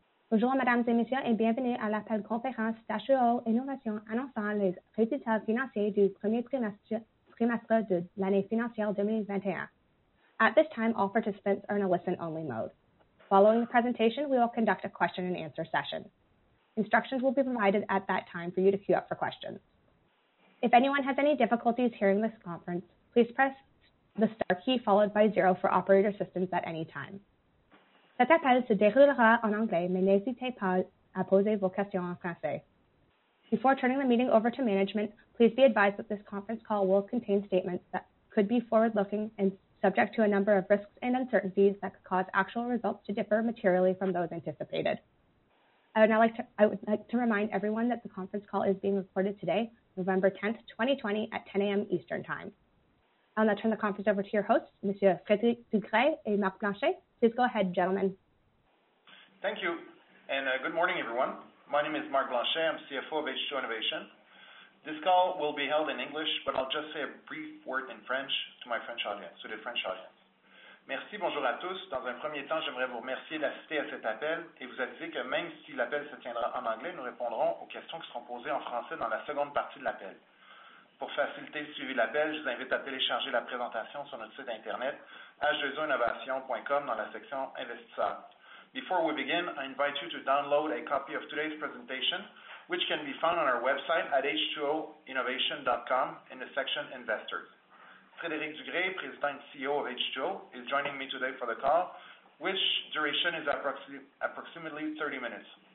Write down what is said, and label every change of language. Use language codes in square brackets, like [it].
[fr] Bonjour, mesdames et messieurs, et bienvenue à l'appel conférence d'H2O Innovation annonçant les résultats financiers du premier trimestre de l'année financière 2021. [en] At this time, all participants are in a listen-only mode. Following the presentation, we will conduct a question and answer session. Instructions will be provided at that time for you to queue up for questions. If anyone has any difficulties hearing this conference, please press the star key followed by zero for operator assistance at any time. [fr] Cet appel se déroulera en anglais, mais n'hésitez pas à poser vos questions en français. [en] Before turning the meeting over to management, please be advised that this conference call will contain statements that could be forward-looking and subject to a number of risks and uncertainties that could cause actual results to differ materially from those anticipated. I would like to remind everyone that the conference call is being recorded today, November 10th, 2020, at 10 a.m. Eastern Time. I'll now turn the conference over to your hosts, Monsieur Frédéric Ducret and Marc Blanchet. Please go ahead, gentlemen. Thank you, and good morning, everyone. My name is Marc Blanchet. I'm CFO of H2O Innovation. This call will be held in English, but I'll just say a brief word in French to my French audience, to the French audience. [fr] Merci, bonjour à tous. Dans un premier temps, j'aimerais vous remercier d'assister à cet appel et vous aviser que même si l'appel se tiendra en anglais, nous répondrons aux questions qui seront posées en français dans la seconde partie de l'appel. Pour faciliter le suivi de l'appel, je vous invite à télécharger la présentation sur notre site Internet h2oinnovation.com dans la section Investisseurs. [en] Before we begin, I invite you to download a copy of today's presentation, which can be found on our website at h2oinnovation.com in the section Investors. Frédéric Ducret, President and CEO of H2O, is joining me today for the call, which duration is approximately 30 minutes.